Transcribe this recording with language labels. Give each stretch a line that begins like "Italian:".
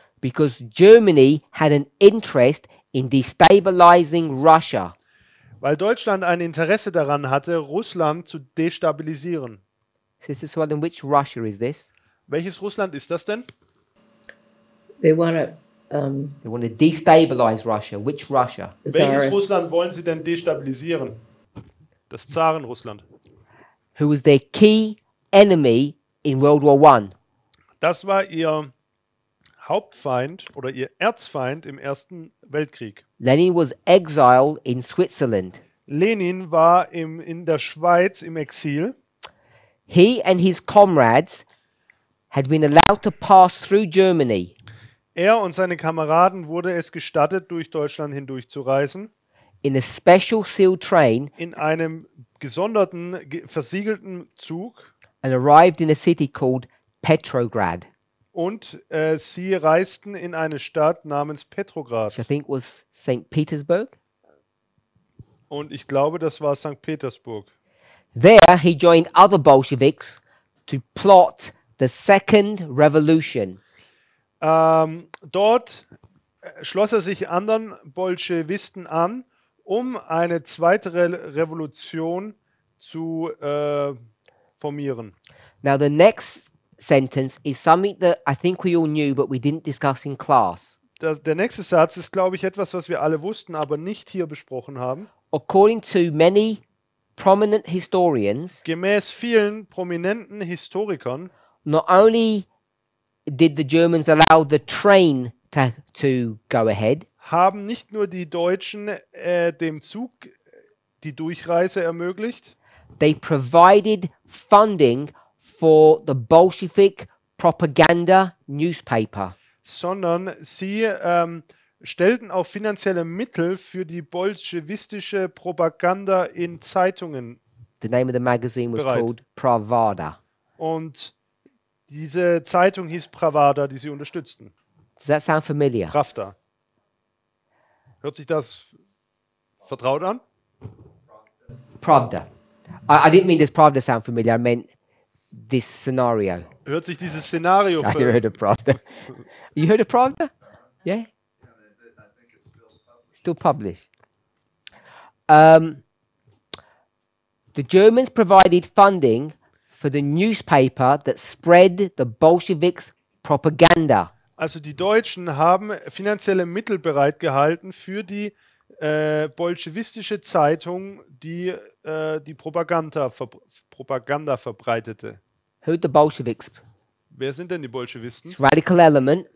English: Because Germany had an interest in destabilizing Russia.
German: Weil Deutschland ein Interesse daran hatte, Russland zu destabilisieren.
English: Is this one, in which Russia is this?
German: Welches Russland ist das denn?
English: They want to destabilize Russia. Which Russia?
German: Welches Russland wollen sie denn destabilisieren? Das Zaren-Russland.
English: Who was their key enemy in World War I?
German: Das war ihr Hauptfeind oder ihr Erzfeind im Ersten Weltkrieg.
English: Lenin was exiled in Switzerland.
German: Lenin war in der Schweiz im Exil.
English: He and his comrades had been allowed to pass through Germany.
German: Er und seine Kameraden wurde es gestattet, durch Deutschland hindurchzureisen.
English: In a special sealed train.
German: In einem gesonderten, versiegelten Zug.
English: And arrived in a city called Petrograd.
German: Und sie reisten in eine Stadt namens Petrograd.
English: Which I think was St. Petersburg.
German: Und ich glaube, das war St. Petersburg.
English: There he joined other Bolsheviks to plot the Second Revolution.
German: Dort schloss er sich anderen Bolschewisten an, um eine zweite Revolution zu formieren.
English: Now the next sentence is something that I think we all knew, but we didn't discuss in class.
German: Der nächste Satz ist, glaube ich, etwas, was wir alle wussten, aber nicht hier besprochen haben.
English: According to many prominent historians,
German: gemäß vielen prominenten Historikern,
English: not only did the Germans allow the train to go ahead,
German: haben nicht nur die Deutschen dem Zug die Durchreise ermöglicht,
English: they provided funding for the Bolshevik propaganda newspaper.
German: Sondern sie stellten auch finanzielle Mittel für die bolschewistische Propaganda in Zeitungen.
English: The name of the magazine was called Pravda.
German: Und diese Zeitung hieß Pravda, die sie unterstützten.
English: Does that sound familiar?
German: Pravda. Hört sich das vertraut an? Pravda.
English: I didn't mean this Pravda sound familiar, I meant this scenario.
German: Hört sich dieses Szenario
English: I never heard of Pravda. You heard of Pravda? Yeah? Still published. The Germans provided funding for the newspaper that spread the Bolsheviks' propaganda.
German: Also die Deutschen haben finanzielle Mittel bereitgehalten für die bolschewistische Zeitung, die die Propaganda verbreitete.
English: Who the Bolsheviks?
German: Wer sind denn die Bolschewisten?
English: It's radical element.